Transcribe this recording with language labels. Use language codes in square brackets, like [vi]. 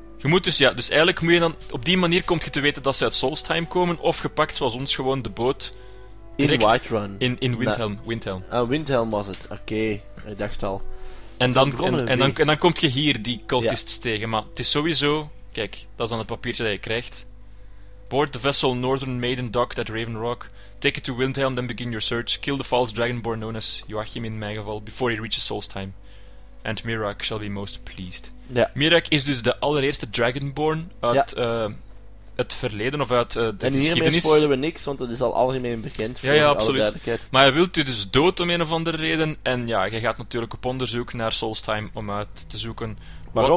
[nl] Je moet dus eigenlijk moet je dan... Op die manier kom je te weten dat ze uit Solstheim komen, of gepakt zoals ons gewoon de boot... In Whiterun. In Windhelm. Windhelm. Ah, Windhelm was het. Oké. Okay. Ik dacht al. En dan kom je hier die cultists tegen. Maar het is sowieso... Kijk, dat is dan het papiertje dat je krijgt. [en] Board the vessel Northern Maiden docked at Raven Rock. Take it to Windhelm, then begin your search. Kill the false dragonborn known as Joachim [nl] in mijn geval, [en] before he reaches Solstheim. And Mirak shall be most pleased. [nl] Ja. Mirak is dus de allereerste Dragonborn uit het verleden of uit de geschiedenis. En hiermee spoilen we niks, want het is al algemeen bekend. Ja, absoluut. Maar hij wilt u dus dood om een of andere reden. En ja, je gaat natuurlijk op onderzoek naar Solstheim om uit te zoeken waarom